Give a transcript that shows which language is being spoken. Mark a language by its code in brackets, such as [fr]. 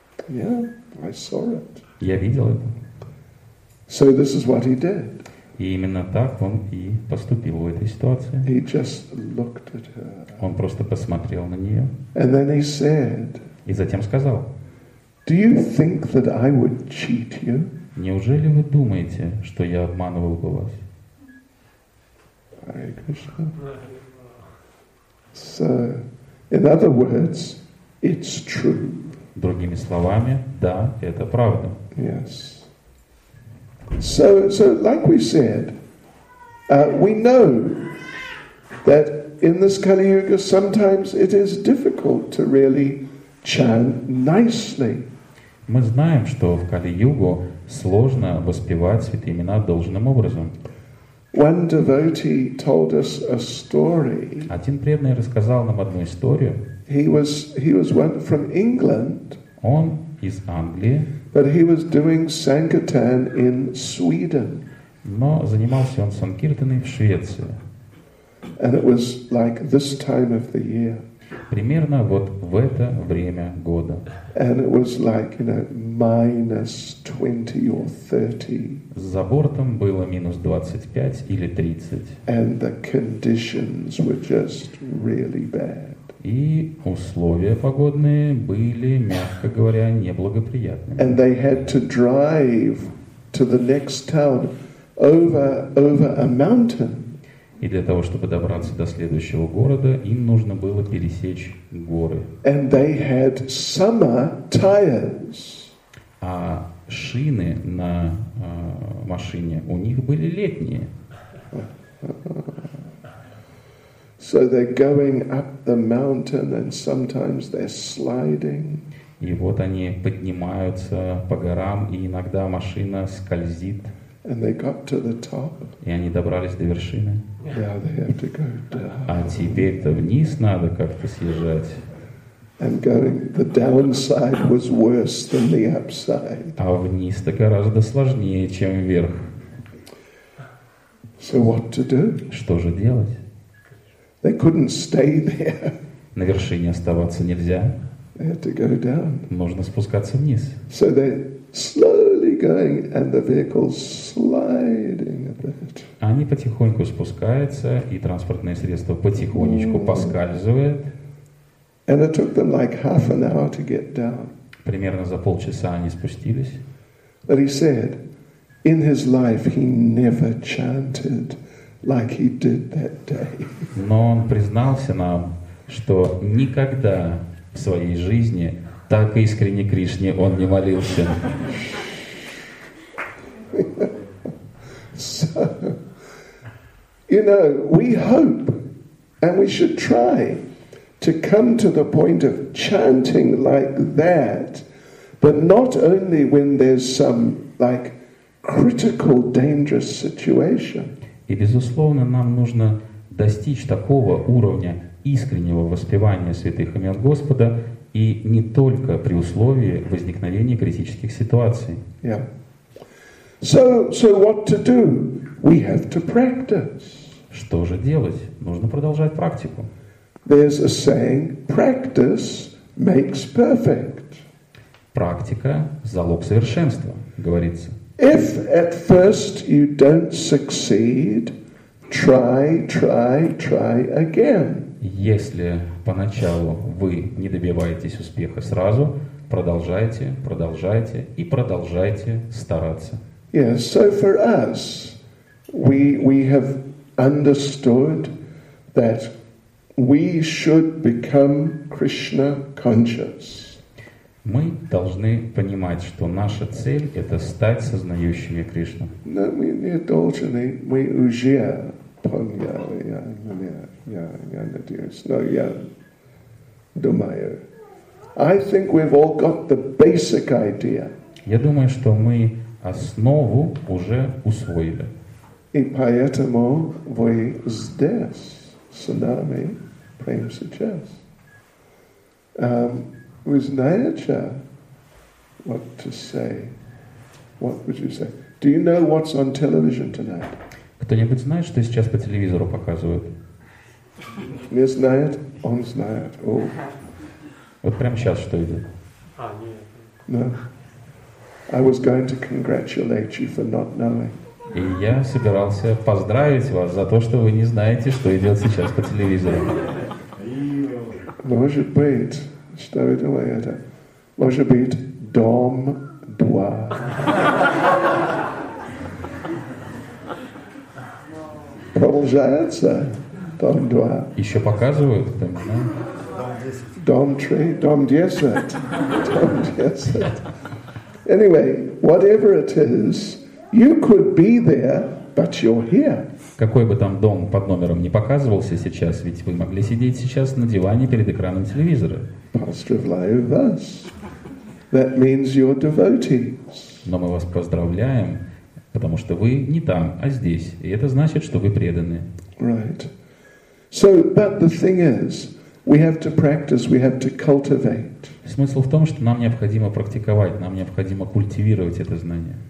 [en] Yeah, I saw it. [ru] Я видел это. [en] So this is what he did. [ru] И именно так он и поступил в этой ситуации. [en] He just looked at her. [ru] Он просто посмотрел на нее. [en] And then he said, [ru] и затем сказал, [en] do you think that I would cheat you? [ru] Неужели вы думаете, что я обманывал бы вас? [en] Hare Krishna. So, in other words, it's true. [ru] Другими словами, да, это правда. [en] Yes. So, like we said, we know that in this Kali Yuga sometimes it is difficult to really chant nicely. [ru] Мы знаем, что в Кали-Югу сложно воспевать святые имена должным образом. [en] One devotee told us a story. [ru] Один преданный рассказал нам одну историю. [en] He went from England. [ru] Он из Англии. [en] But he was doing sankirtan in Sweden. [ru] Но занимался он санкиртаной в Швеции. [en] And it was like this time of the year. [ru] Примерно вот в это время года. [en] And it was like, you know, minus 20 or 30. [ru] За бортом было минус 25 или 30. [en] And the conditions were just really bad. [ru] И условия погодные были, мягко говоря, неблагоприятными. [en] And they had to drive to the next town over a mountain. [ru] И для того, чтобы добраться до следующего города, им нужно было пересечь горы. [en] And they had summer tires. [ru] А шины на машине у них были летние. [en] So they're going up the mountain and sometimes they're sliding. [ru] И вот они поднимаются по горам, и иногда машина скользит. [en] And they got to the top. [ru] И они добрались до вершины. [en] Now they have to go down. [ru] А теперь-то вниз надо как-то съезжать. [en] And going, the downside was worse than the upside. [ru] А вниз-то гораздо сложнее, чем вверх. [en] So what to do? [ru] Что же делать? [en] They couldn't stay there. [ru] На вершине оставаться нельзя. [en] They had to go down. [ru] Нужно спускаться вниз. [en] So they slowly going and the vehicle sliding a bit. [ru] Они потихоньку спускаются, и транспортное средство потихонечку поскальзывает. [en] And it took them like half an hour to get down. [ru] Примерно за полчаса они спустились. [en] But he said, in his life he never chanted like he did that day. [ru] Но он признался нам, что никогда в своей жизни так искренне Кришне он не молился. [en] You know, we hope and we should try to come to the point of chanting like that, but not only when there's some like critical dangerous situation. [ru] И безусловно, нам нужно достичь такого уровня искреннего воспевания святых имен Господа и не только при условии возникновения критических ситуаций. [en] Yeah. So what to do? We have to practice. [ru] Что же делать? Нужно продолжать практику. [en] There's a saying, practice makes perfect. [ru] Практика – залог совершенства, говорится. [en] If at first you don't succeed, try again. [ru] Если поначалу вы не добиваетесь успеха сразу, продолжайте стараться. [en] Yes, so for us, we have understood that we should become Krishna conscious. [ru] Мы должны понимать, что наша цель – это стать сознающими Кришну. [en] No, [ru] мы не должны, мы уже поняли, я надеюсь, но я думаю. [en] I think we've all got the basic idea. [ru] Я думаю, что мы основу уже усвоили. И поэтому вы здесь, с нами, прямо сейчас. Вы знаете, [en] what to say? What would you say? Do you know what's on television tonight? [ru] Кто-нибудь знает, что сейчас по телевизору показывают? Не знает? Он знает. Oh. Вот прямо сейчас что идет? [en] No. I was going to congratulate you for not knowing. [ru] И я собирался поздравить вас за то, что вы не знаете, что идет сейчас по телевизору. Может быть, что вы думаете? Может быть, Дом 2. Продолжается Дом 2. Еще показывают? Там, да? Дом 3, Дом 10. Дом 10. [en] Anyway, whatever it is, you could be there, but you're here. [ru] Какой бы там дом под номером не показывался сейчас, ведь вы могли сидеть сейчас на диване перед экраном телевизора. [en] That means you're devotees. [ru] Но мы вас поздравляем, потому что вы не там, а здесь, и это значит, что вы преданы. [en] Right. So, but the thing is, we have to practice, we have to cultivate. [ru] Смысл в том, что нам необходимо практиковать, нам необходимо культивировать это знание.